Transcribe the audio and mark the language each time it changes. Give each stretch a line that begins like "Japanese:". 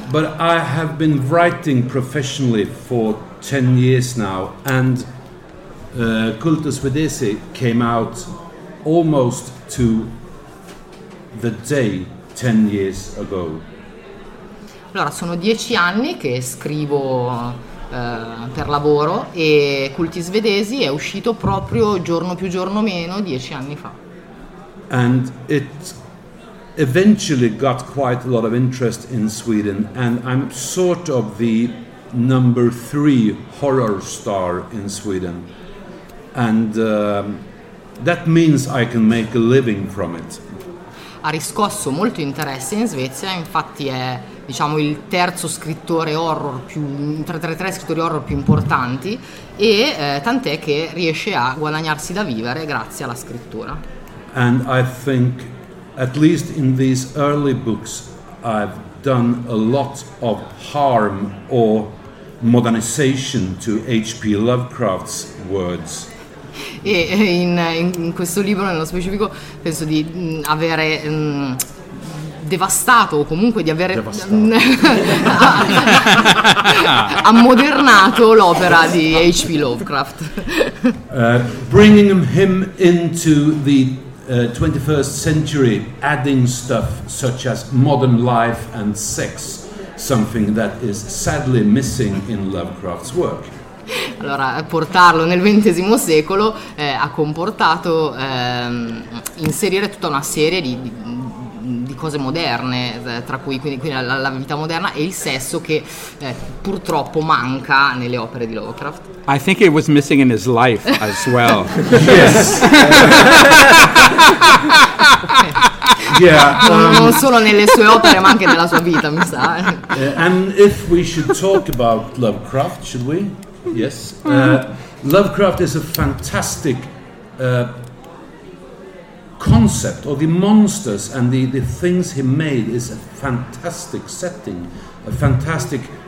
English: But I have been writing professionally for 10 years now, and Kulta Svedese came out almost to the day 10 years ago.
Italian: Allora, sono 10 anni che scrivo per lavoro e Culti Svedesi è uscito proprio giorno più giorno meno 10 anni fa.
English: And it eventually got quite a lot of interest in Sweden, and I'm sort of the number 3 horror star in Sweden, and that means I can make a living from it.
Italian: Ha riscosso molto interesse in Svezia, infatti è, diciamo, il terzo scrittore horror più tre scrittori horror più importanti, e tant'è che riesce a guadagnarsi da vivere grazie alla scrittura.
English: And I think at least in these early books I've done a lot of harm or modernization to H.P. Lovecraft's words.
Italian: E in questo libro nello specifico penso di avere devastato, o comunque di avere ammodernato l'opera di H.P. Lovecraft.
English: Bringing him into the 21st century, adding stuff such as modern life and sex, something that is sadly missing in Lovecraft's work.
Italian: Allora, portarlo nel XX secolo ha comportato inserire tutta una serie di cose moderne, tra cui quindi la vita moderna e il sesso, che purtroppo manca nelle opere di Lovecraft.
English: I think it was missing in his life as well. Yes.
Italian: Non solo nelle sue opere, ma anche nella sua vita, mi sa.
English: And if we should talk about Lovecraft, should we? Yes. Lovecraft is a fantastic concept, or the monsters and the things he made is a fantastic setting, a fantastic